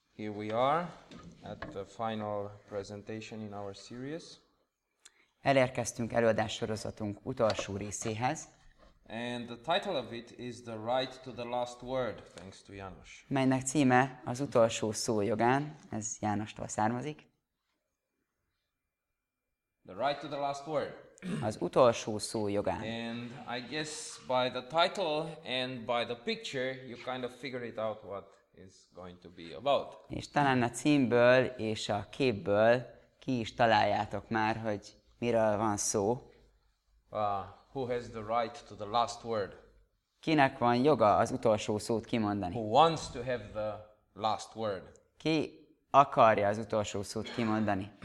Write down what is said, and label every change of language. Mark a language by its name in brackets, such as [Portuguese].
[English] Here we are at the final presentation in our series. [Hungarian] Elérkeztünk előadássorozatunk utolsó részéhez. [English] And the title of it is The Right to the Last Word, thanks to János. [Hungarian] Melynek címe az utolsó szó jogán, ez Jánostól származik. [English] The Right to the Last Word. [Hungarian] Az utolsó szó jogán. [English] And I guess by the title and by the picture you kind of figure it out what is going to be about. [Hungarian] És talán a címből és a képből ki is találjátok már, hogy miről van szó. [English] Who has the right to the last word? [Hungarian] Kinek van joga az utolsó szót kimondani? [English] Who wants to have the last word? [Hungarian] Ki akarja az utolsó szót kimondani?